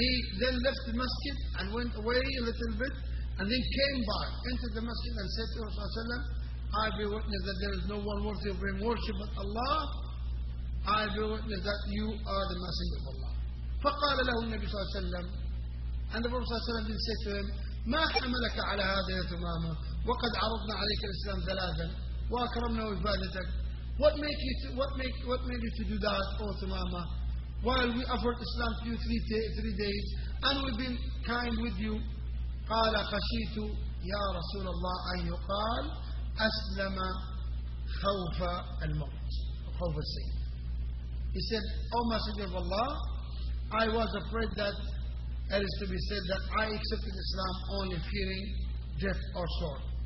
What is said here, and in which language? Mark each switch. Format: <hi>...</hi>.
<en>And he then left the masjid and went away a little bit and then came back into the masjid and said to Rasulullah صلى الله عليه وسلم, I be witness that there is no one worthy of being worshipped but Allah. I be witness that you are the messenger of Allah.</en> <ar>فقال له النبي صلى الله عليه وسلم,</ar> <en>and the Prophet صلى الله عليه وسلم said to him,</en> <ar>ما حملك على هذا يا ثمامة وقد عرضنا عليك الإسلام ثلاثا وأكرمنا وإفادتك.</ar> <en>What made you to do that, O Thumama, while we offered Islam to you three days and we've been kind with you.</en> <ar>قال خشيت يا رسول الله أن يقال أسلم خوف الموت خوف السيد.</ar> <en>He said, O Messenger of Allah, I was afraid that it is to be said that I accepted Islam only fearing death or sword.</en>